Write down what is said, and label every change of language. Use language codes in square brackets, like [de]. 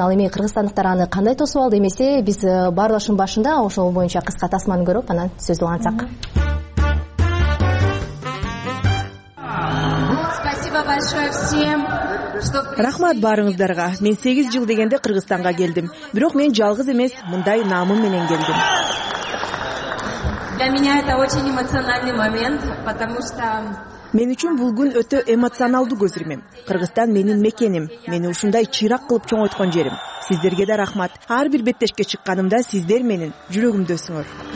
[ky] Ал эми кыргызстандыктар аны кандай тосуп алды? Эмесе биз баарлашуунун башында ошол боюнча кыска тасманы көрүп, анан сөз улантсак. [ru] Спасибо большое всем. [ky] Рахмат баарыңыздарга. Мен 8 жыл дегенде Кыргызстанга келдим. Бирок мен жалгыз эмес, мындай намым менен келдим. [ru] Для меня это очень эмоциональный момент, потому что [ky] мен үчүн бул күн өтө эмоционалдуу көзүрмө. Кыргызстан менин мекеним, мени ушундай чыйрак кылып чоңойткон жерим. Сиздерге да рахмат. Ар бир беттешке чыкканымда сиздер менин жүрөгүмдөсүңөр.